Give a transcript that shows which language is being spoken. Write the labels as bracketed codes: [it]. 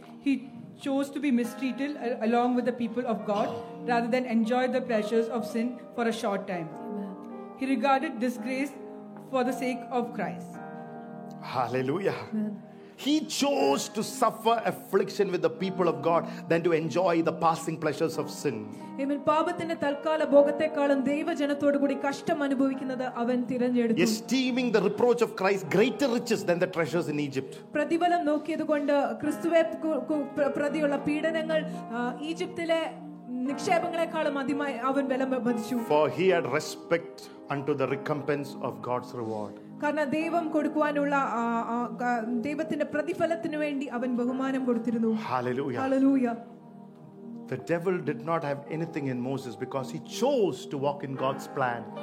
[en] He chose to be mistreated along with the people of God rather than enjoy the pleasures of sin for a short time. Amen. He regarded disgrace for the sake of Christ. Hallelujah. Amen. He chose to suffer affliction with the people of God than to enjoy the passing pleasures of sin. Amen. [ml] പാപത്തിന്റെ തൽക്കാല ഭോഗത്തെക്കാളും ദൈവജനത്തോട് കൂടി കഷ്ടം അനുഭവിക്കുന്നത് അവൻ തിരഞ്ഞെടുത്തു. [en] Esteeming the reproach of Christ greater riches than the treasures in Egypt. [ml] പ്രതിഫലം നോക്കിയതുകൊണ്ട് ക്രിസ്തുവേ പ്രതിയുള്ള പീഡനങ്ങൾ ഈജിപ്തിലെ നിക്ഷേപങ്ങളെക്കാളും അധികമായി അവൻ വിലമതിച്ചു. [en] For he had respect unto the recompense of God's reward. [ml] കാരണം ദൈവം കൊടുക്കുവാനുള്ള ദൈവത്തിന്റെ പ്രതിഫലത്തിന് വേണ്ടി അവൻ ബഹുമാനം കൊടുത്തിരുന്നു. Hallelujah hallelujah. [en] The devil did not have anything in Moses because he chose to walk in God's plan.